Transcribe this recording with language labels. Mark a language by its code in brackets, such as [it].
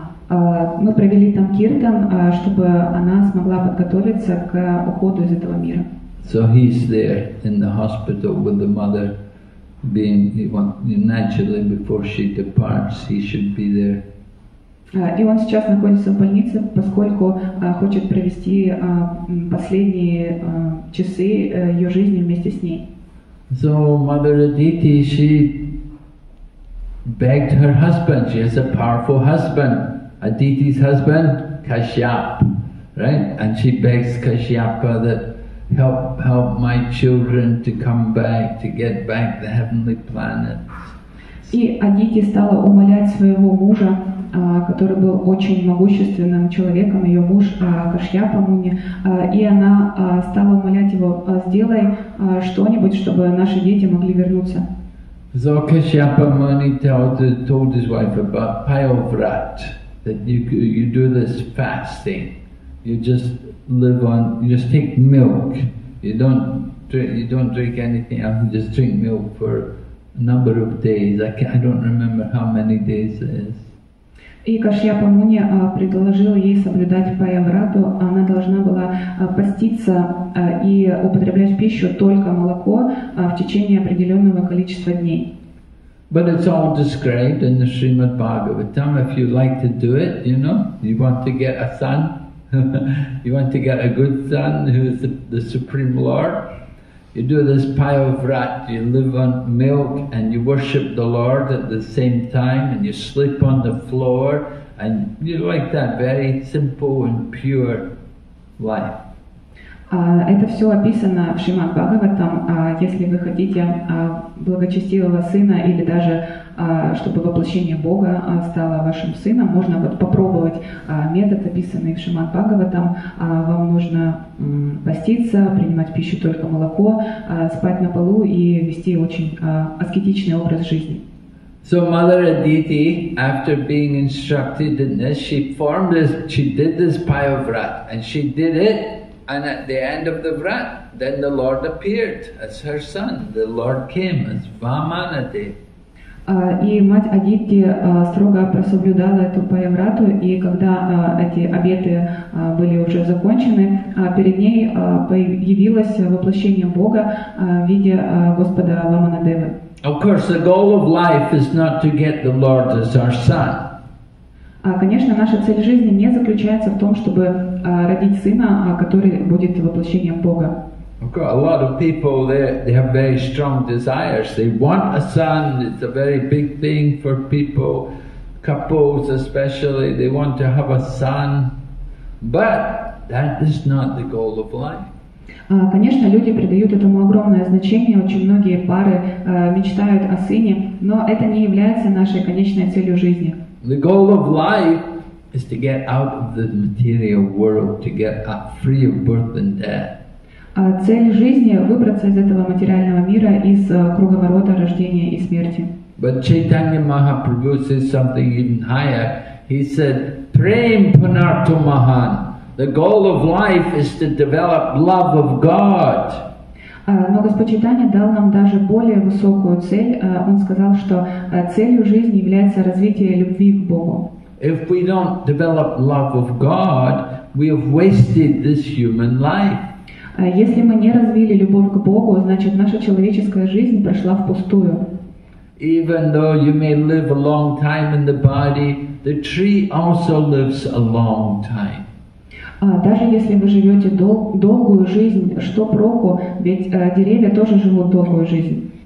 [ru] Мы провели там киртан, чтобы она смогла подготовиться к уходу из этого мира. [en] So he's there in the hospital with the mother, being naturally before she departs, he should be there. [ru] И он сейчас находится в больнице, поскольку хочет провести последние часы ее жизни вместе с ней. [en] So Mother Aditi, she begged her husband. She has a powerful husband. Aditi's husband, Kashyap, right? And she begs Kashyapa that help my children to come back, to get back the heavenly planets. [ru] И Адити стала умолять своего мужа, который был очень могущественным человеком, ее муж Кашьяпа Муни, и она стала умолять его, сделай что-нибудь, чтобы наши дети могли вернуться. [en] So Kashyapa Muni told his wife about Payovrat. That you do this fasting, you just live on, you just take milk, you don't drink anything else, just drink milk for a number of days. I don't remember how many days it is. [ru] И Кашьяпа Муни предложил ей соблюдать Паяврату. Она должна была поститься и употреблять в пищу только молоко в течение определенного количества дней. [en] But it's all described in the Srimad Bhagavatam. If you like to do it, you know, you want to get a son, you want to get a good son who is the Supreme Lord, You do this pile of rat, you live on milk and you worship the Lord at the same time and you sleep on the floor and you like that very simple and pure life. [ru] Это все описано в Шримад Бхагаватам. Если вы хотите благочестивого сына или даже чтобы воплощение Бога стало вашим сыном, можно вот попробовать метод, описанный в Шримад Бхагаватам. Вам нужно поститься, принимать пищу только молоко, спать на полу и вести очень аскетичный образ жизни. [en] So Mother Aditi, after being instructed in this, she formed this, she did this pile of rat, and she did it. And at the end of the vrat, then the Lord appeared as her son. The Lord came as Vamanadev. [ru] И мать Адити строго соблюдала эту паяврату, и когда эти обеты были уже закончены, перед ней появилось воплощение Бога в виде Господа Ваманадевы. [en] Of course, the goal of life is not to get the Lord as our son. [ru] Конечно, наша цель жизни не заключается в том, чтобы родить сына, который будет воплощением Бога. [en] A lot of people, they have very strong desires. They want a son. It's a very big thing for people, couples especially. They want to have a son. But that is not the goal of life. [ru] Конечно, люди придают этому огромное значение, очень многие пары мечтают о сыне, но это не является нашей конечной целью жизни. [en] The goal of life is to get out of the material world, to get up free of birth and death. [ru] Цель жизни – выбраться из этого материального мира, из круговорота рождения и смерти. [en] But Chaitanya Mahaprabhu says something even higher. He said, Prem Punartho Mahan. The goal of life is to develop love of God. [ru] Но Господь Чайтанья дал нам даже более высокую цель. Он сказал, что целью жизни является развитие любви к Богу. [en] If we don't develop love of God, we have wasted this human life. [ru] Если мы не развили любовь к Богу, значит наша человеческая жизнь прошла впустую. [en] Even though you may live a long time in the body, the tree also lives a long time. [ru] Даже если вы живете долгую жизнь, что проку, ведь деревья тоже живут долгую жизнь.